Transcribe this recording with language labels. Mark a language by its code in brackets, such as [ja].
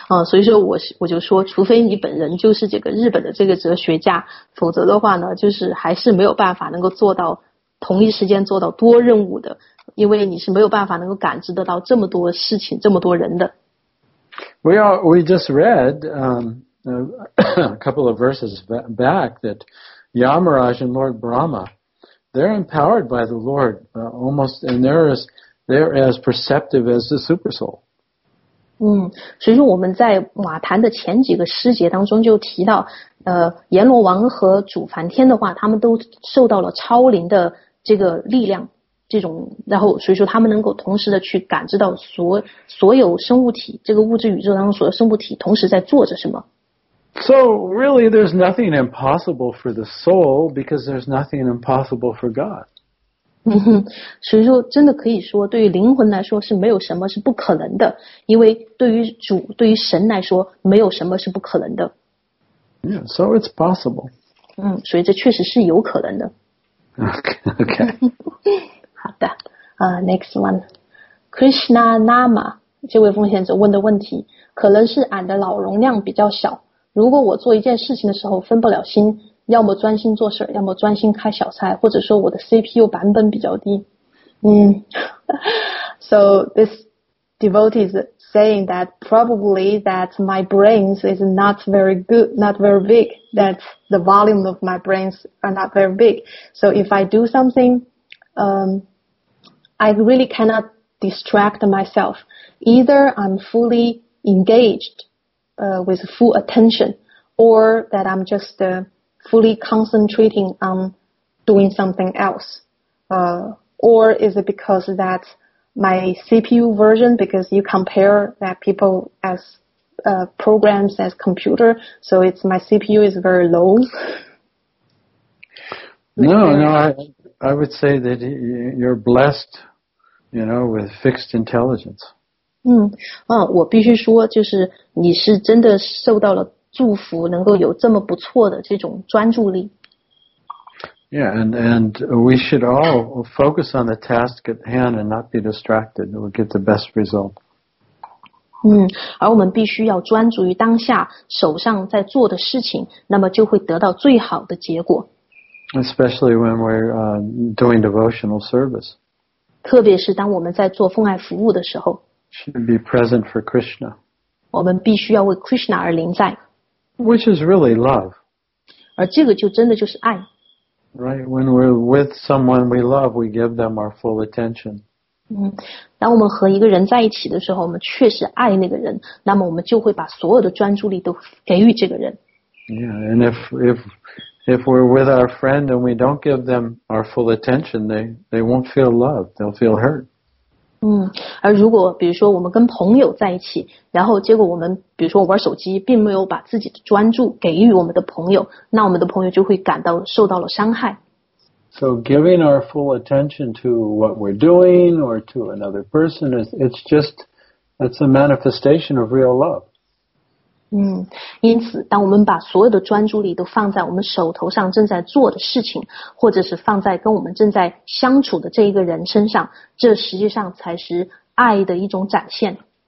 [zh] 所以说我就说除非你本人就是这个日本的这个哲学家否则的话呢就是还是没有办法能够做到同一时间做到多任务的因为你是没有办法能够感知得到这么多事情这么多人的。 [en] We just read a couple of verses back that Yamaraj and Lord Brahma, they're empowered by the Lord, almost, and they're as perceptive as the super soul. [zh] 所以说我们在瓦坛的前几个师节当中就提到阎罗王和主梵天的话他们都受到了超灵的这个力量这种然后所以说他们能够同时的去感知到所有生物体这个物质宇宙当中所有生物体同时在做着什么。 [en] So really there's nothing impossible for the soul because there's nothing impossible for God. [zh] 所以说真的可以说对于灵魂来说是没有什么是不可能的因为对于神来说没有什么是不可能的。 [en] Yeah, so it's possible. [zh] 所以这确实是有可能的。 [en] Okay. [zh] 好的。 [en] Next one. [zh] Krishna Nama, 这位奉献者问的问题，可能是俺的脑容量比较小。如果我做一件事情的时候分不了心，要么专心做事，要么专心开小差，或者说我的 CPU 版本比较低。 [en] So this devotee is saying that probably that my brain is not very good, not very big, that the volume of my brains are not very big. So if I do something, I really cannot distract myself. Either I'm fully engaged, with full attention, or that I'm just, fully concentrating on doing something else. Or is it because that my CPU version, because you compare that people as, programs as computer, so it's my CPU is very low? No, I would say that you're blessed, you know, with fixed intelligence. [zh] 我必须说就是你是真的受到了祝福，能够有这么不错的这种专注力。 [en] Yeah, and we should all focus on the task at hand and not be distracted. We'll get the best result. [zh] 而我们必须要专注于当下手上在做的事情，那么就会得到最好的结果。 [en] Especially when we're doing devotional service. [zh] 特别是当我们在做奉爱服务的时候。 [en] Should be present for Krishna. [zh] 我们必须要为 Krishna 而临在。 [en] Which is really love. [zh] 而这个就真的就是爱。 [en] Right, when we're with someone we love, we give them our full attention. [zh] 当我们和一个人在一起的时候，我们确实爱那个人，那么我们就会把所有的专注力都给予这个人。 [en] Yeah, and if we're with our friend and we don't give them our full attention, they won't feel loved, they'll feel hurt. [zh] 而如果比如说我们跟朋友在一起，然后结果我们比如说玩手机，并没有把自己的专注给予我们的朋友，那我们的朋友就会感到受到了伤害。 [en] So giving our full attention to what we're doing or to another person is it's a manifestation of real love. [zh] 因此当我们把所有的专注力都放在我们手头上正在做的事情，或者是放在跟我们正在相处的这一个人身上，这实际上才是爱的一种展现。